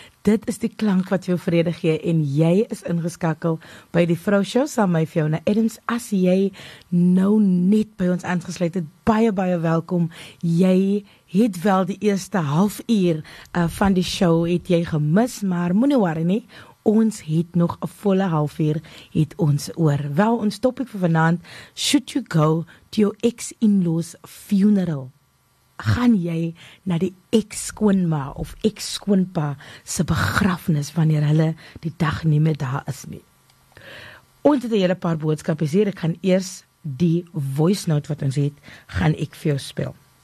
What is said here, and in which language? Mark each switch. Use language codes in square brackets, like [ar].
[af] Dit is die klank wat jou vrede gee en jy is ingeskakel by die Vrou Show saam met Fiona Adams. As jy nou net by ons aangesluit het, baie baie welkom. Jy het wel die eerste half uur van die show het jy gemis, maar moenie worry nie. Ons het nog 'n volle half uur het ons oor. [en] Wel, ons topic vir vanaand, should you go to your ex-in-law's funeral? [af] Gaan jy na die ex-skoonma of ex-skoonpa se begrafnis wanneer hulle die dag nie meer daar is nie? Ons het 'n hele paar boodskappe hier. Ek gaan eers die voice note wat ons het, gaan ek vir jou speel.